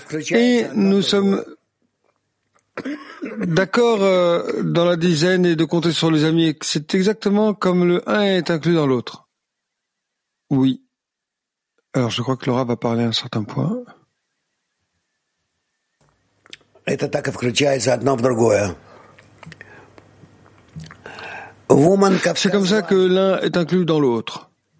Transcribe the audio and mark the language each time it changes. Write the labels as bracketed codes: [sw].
[fr] Et nous sommes d'accord dans la dizaine et de compter sur les amis. C'est exactement comme le un est inclus dans l'autre. Oui. Alors, je crois que Laura va parler à un certain point. [ru] Это так и включается одно в другое. [en] Woman, [fr] c'est comme ça que l'un est inclus dans l'autre.